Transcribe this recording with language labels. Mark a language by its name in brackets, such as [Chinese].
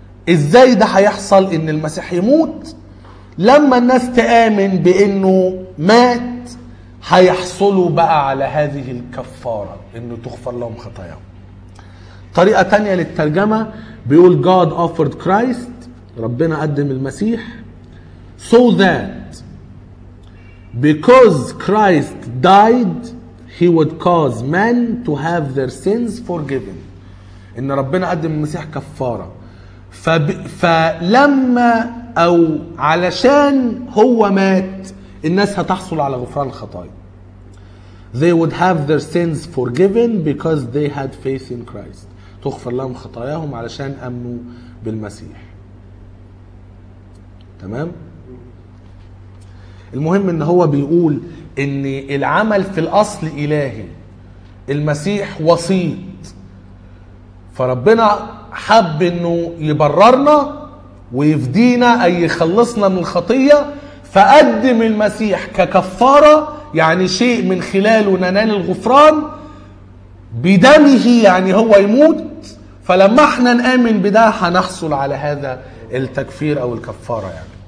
[Arabic] ازاي ده هيحصل؟ ان المسيح يموت. لما الناس تآمن بانه مات هيحصلوا بقى على هذه الكفارة انه تغفر لهم خطاياهم. طريقة تانية للترجمة بيقول [English] God offered Christ [Arabic] ربنا قدم المسيح [English] so that because Christ died he would cause men to have their sins forgiven. [Arabic] إن ربنا قدم المسيح كفارة فلما أو علشان هو مات الناس هتحصل على غفران الخطايا. [English] They would have their sins forgiven because they had faith in Christ. [Arabic] تغفر لهم خطاياهم علشان أمنوا بالمسيح. تمام؟ المهم إن هو بيقول إن العمل في الأصل إلهي. المسيح وسيط. فربنا حب إنه يبررنا ويفدينا أي يخلصنا من الخطية فقدم المسيح ككفارة يعني شيء من خلاله ننال الغفران بدمه يعني هو يموت فلما احنا نآمن بده هنحصل على هذا التكفير أو الكفارة يعني.